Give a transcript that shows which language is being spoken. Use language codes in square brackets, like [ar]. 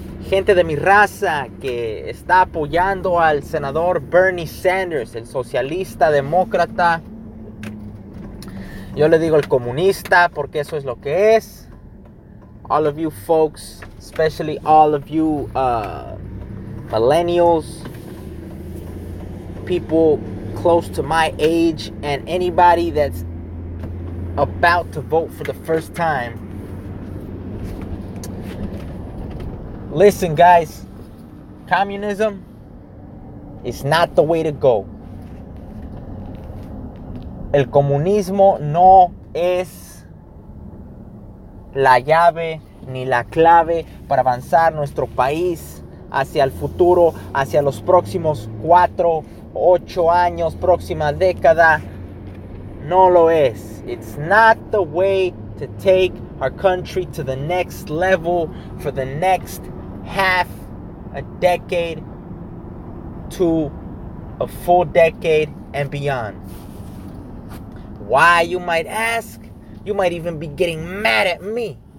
[es] Gente de mi raza que está apoyando al senador Bernie Sanders, el socialista demócrata. Yo le digo el comunista porque eso es lo que es. [en] All of you folks, especially all of you millennials, people close to my age, and anybody that's about to vote for the first time. Listen, guys, communism is not the way to go. [es] El comunismo no es la llave ni la clave para avanzar nuestro país hacia el futuro, hacia los próximos 4, 8 años, próxima década. No lo es. [en] It's not the way to take our country to the next level for the next half a decade to a full decade and beyond. Why, you might ask? You might even be getting mad at me.